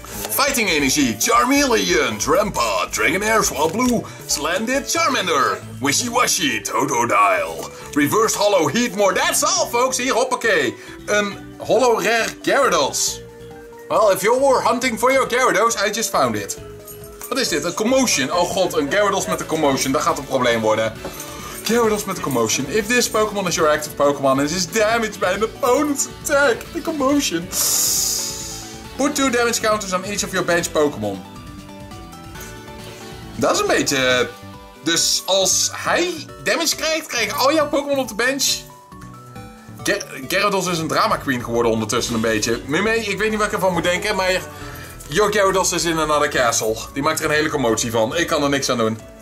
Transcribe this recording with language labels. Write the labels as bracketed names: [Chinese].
[English] Fighting Energy, Charmeleon, Drempa, Dragonair, Swablu, Slendit, Charmander, Wishy-Washy, Totodile, Reverse Holo, Heatmore, that's all folks, [Dutch] hier, hoppakee. [English] Een Holo Rare Gyarados. Well, if you're hunting for your Gyarados, I just found it. [Dutch] Wat is dit, een Commotion? Oh god, een Gyarados met een Commotion, dat gaat een probleem worden. Gyarados met de Commotion. [English] If this Pokémon is your active Pokémon and is damaged by an opponent's attack, the Commotion. Put two damage counters on each of your bench Pokémon. [Dutch] Dat is een beetje... Dus als hij damage krijgt, krijgen al jouw Pokémon op de bench. Gyarados is een drama queen geworden ondertussen een beetje. Mimee, ik weet niet wat ik ervan moet denken, maar... [English] Your Gyarados is in another castle. [Dutch] Die maakt er een hele commotie van. Ik kan er niks aan doen.